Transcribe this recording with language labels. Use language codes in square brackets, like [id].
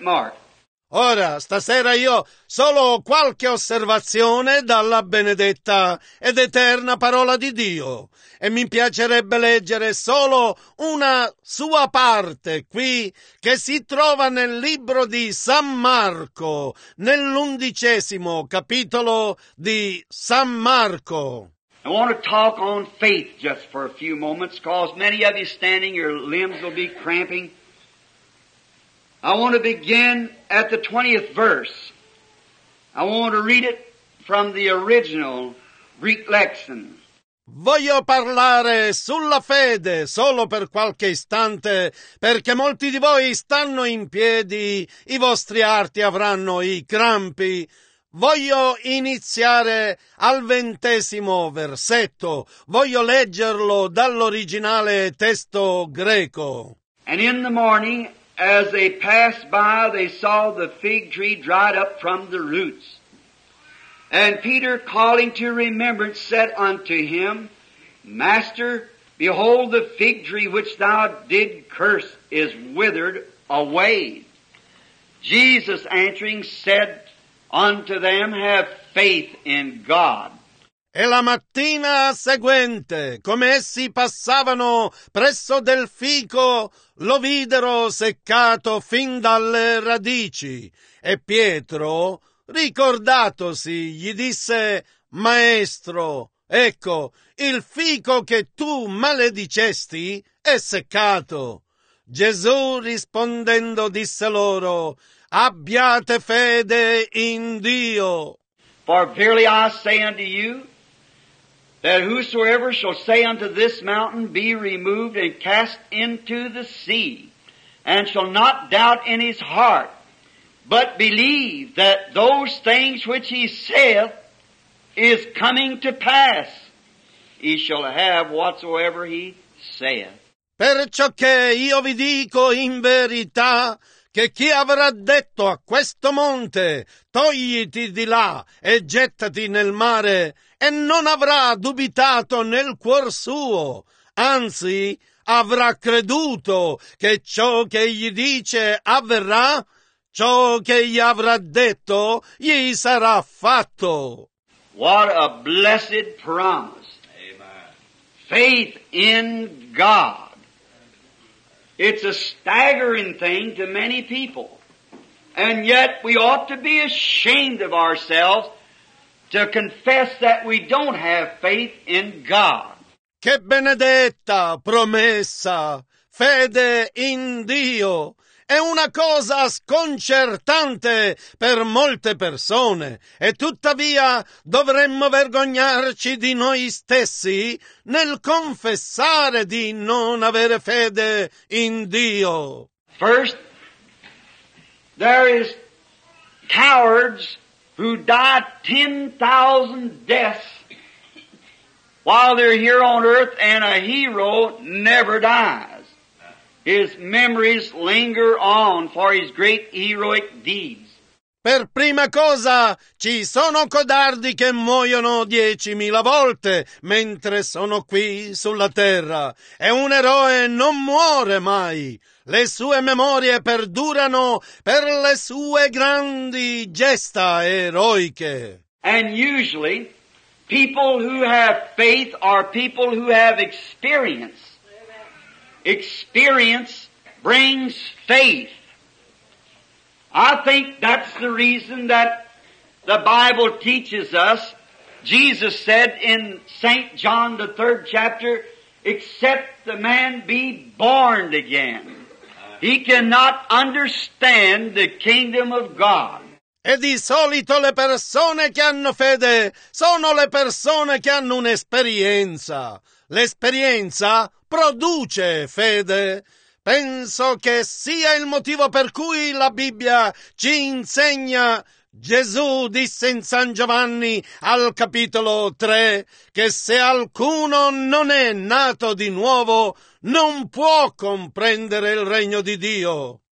[en] Mark. [it] Ora, stasera io solo qualche osservazione dalla benedetta ed eterna parola di Dio, e mi piacerebbe leggere solo una sua parte qui, che si trova nel libro di San Marco, nell'undicesimo capitolo di San Marco. [en] I want to talk on faith just for a few moments, cause many of you standing, your limbs will be cramping. I want to begin at the 20th verse. I want to read it from the original Greek lexicon. [it] Voglio parlare sulla fede solo per qualche istante, perché molti di voi stanno in piedi, i vostri arti avranno i crampi. Voglio iniziare al 20° versetto. Voglio leggerlo dall'originale testo greco. [en] And in the morning, as they passed by, they saw the fig tree dried up from the roots. And Peter, calling to remembrance, said unto him, Master, behold, the fig tree which thou did curse is withered away. Jesus answering said unto them, Have faith in God. [it] E la mattina seguente, come essi passavano presso del fico, lo videro seccato fin dalle radici. E Pietro, ricordatosi, gli disse, Maestro, ecco, il fico che tu maledicesti è seccato. Gesù rispondendo disse loro, Abbiate fede in Dio. [en] For verily I say unto you, that whosoever shall say unto this mountain, Be removed and cast into the sea, and shall not doubt in his heart, but believe that those things which he saith is coming to pass, he shall have whatsoever he saith. [it] Perciò che io vi dico in verità, che chi avrà detto a questo monte, togliti di là e gettati nel mare, e non avrà dubitato nel cuor suo, anzi avrà creduto che ciò che gli dice avverrà, ciò che gli avrà detto gli sarà fatto. [en] What a blessed promise. Amen. Faith in God. It's a staggering thing to many people. And yet we ought to be ashamed of ourselves to confess that we don't have faith in God. [it] Che benedetta promessa, fede in Dio, è una cosa sconcertante per molte persone. E tuttavia dovremmo vergognarci di noi stessi nel confessare di non avere fede in Dio. [en] First, there is cowards who die 10,000 deaths while they're here on earth, and a hero never dies. His memories linger on for his great heroic deeds. [it] Per prima cosa, ci sono codardi che muoiono 10,000 volte mentre sono qui sulla terra. E un eroe non muore mai. Le sue memorie perdurano per le sue grandi gesta eroiche. [en] And usually, people who have faith are people who have experience. Experience brings faith. I think that's the reason that the Bible teaches us. Jesus said in St. John, the 3rd chapter, except the man be born again, he cannot understand the kingdom of God. [it] E di solito le persone che hanno fede sono le persone che hanno un'esperienza. L'esperienza produce fede. Penso che sia il motivo per cui la Bibbia ci insegna, Gesù disse in San Giovanni al capitolo 3, che se alcuno non è nato di nuovo, non può comprendere il regno di Dio.